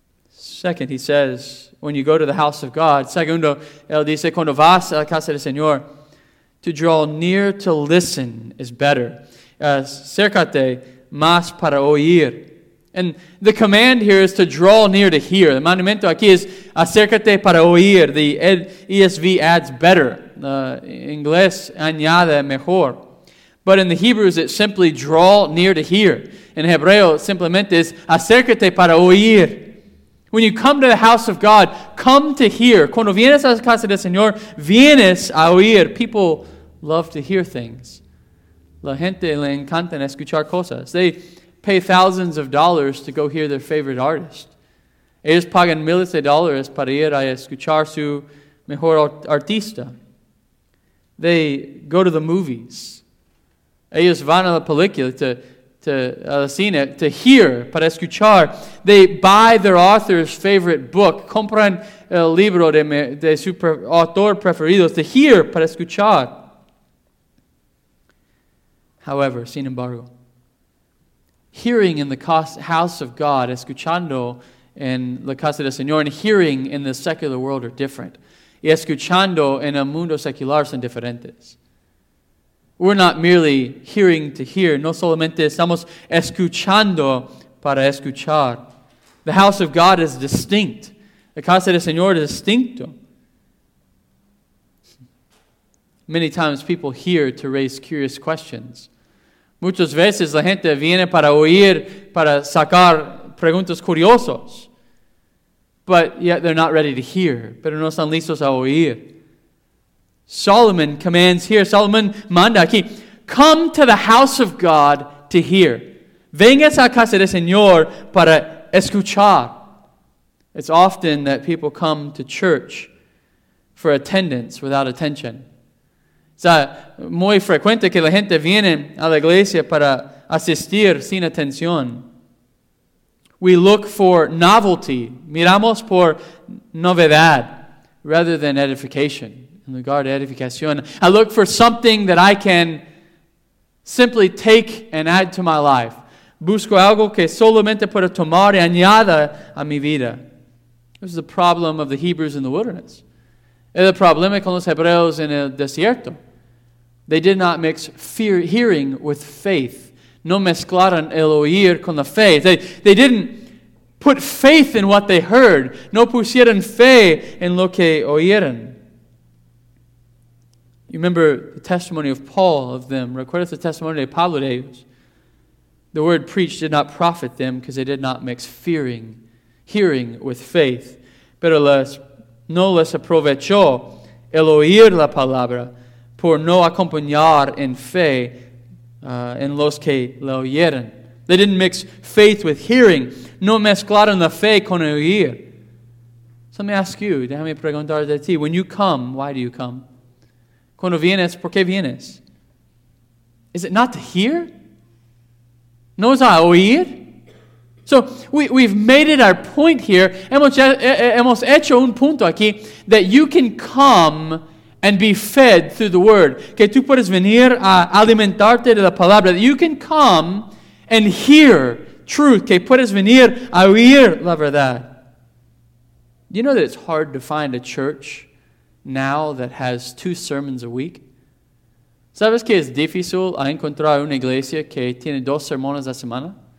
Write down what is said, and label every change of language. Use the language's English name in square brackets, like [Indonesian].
[English] Second, he says, when you go to the house of God. [Spanish] Segundo, él dice, cuando vas a la casa del Señor, [English] to draw near to listen is better. [Spanish] Acércate más para oír. [English] And the command here is to draw near to hear. [Spanish] The mandamiento aquí es acércate para oír. [English] The ESV adds better. [Spanish] Inglés añade mejor. [English] But in the Hebrews, it's simply draw near to hear. [Spanish] In Hebreo, simplemente es acércate para oír. [English] When you come to the house of God, come to hear. [Spanish] Cuando vienes a la casa del Señor, vienes a oír. [English] People love to hear things. [Spanish] La gente le encanta escuchar cosas. [English] They pay thousands of dollars to go hear their favorite artist. [Spanish] Ellos pagan miles de dólares para ir a escuchar su mejor artista. [English] They go to the movies. [Spanish] Ellos van a la película, al cine, [English] to hear, [Spanish] para escuchar. [English] They buy their author's favorite book. [Spanish] Compran el libro de su autor preferido, [English] to hear, [Spanish] para escuchar. [English] However, [Spanish] sin embargo, [English] hearing in the house of God, [Spanish] escuchando en la casa del Señor, [English] and hearing in the secular world are different. [Spanish] Y escuchando en el mundo secular son diferentes. [English] We're not merely hearing to hear. [Spanish] No solamente estamos escuchando para escuchar. [English] The house of God is distinct. [Spanish] La casa del Señor es distinto. [English] Many times people hear to raise curious questions. [Spanish] Muchas veces la gente viene para oír, para sacar preguntas curiosas. [English] But yet they're not ready to hear. [Spanish] Pero no están listos a oír. [English] Solomon commands here. [Spanish] Solomon manda aquí. [English] Come to the house of God to hear. [Spanish] Vengas a casa del Señor para escuchar. [English] It's often that people come to church for attendance without attention. [Spanish] Es muy frecuente que la gente viene a la iglesia para asistir sin atención. [English] We look for novelty. [Spanish] Miramos por novedad [English] rather than edification. In regard to edification, I look for something that I can simply take and add to my life. [Spanish] Busco algo que solamente pueda tomar y añada a mi vida. [English] This is the problem of the Hebrews in the wilderness. [Spanish] Es el problema con los Hebreos en el desierto. [English] They did not mix hearing with faith. [Spanish] No mezclaron el oír con la fe. [English] They didn't put faith in what they heard. [Spanish] No pusieron fe en lo que oyeron. [English] You remember the testimony of Paul of them. [Spanish] Recuerdas el testimonio de Pablo de ellos. [English] The word preached did not profit them because they did not mix hearing with faith. [Spanish] Pero no les aprovechó el oír la palabra por no acompañar en fe en los que la oyeron. [English] They didn't mix faith with hearing. [Spanish] No mezclaron la fe con el oír. [English] So let me ask you, [Spanish] déjame preguntar de ti. [English] When you come, why do you come? [Spanish] Cuando vienes, ¿por qué vienes? [English] Is it not to hear? [Spanish] No es a oír. [English] So, we've made it our point here. [Spanish] Hemos hecho un punto aquí [English] that you can come and be fed through the Word. [Spanish] Que tú puedes venir a alimentarte de la palabra. [English] That you can come and hear truth. [Spanish] Que puedes venir a oír la verdad. [English] Do you know that it's hard to find a church now that has two sermons a week? [Spanish] ¿Sabes que es difícil encontrar una iglesia que tiene dos sermones a semana?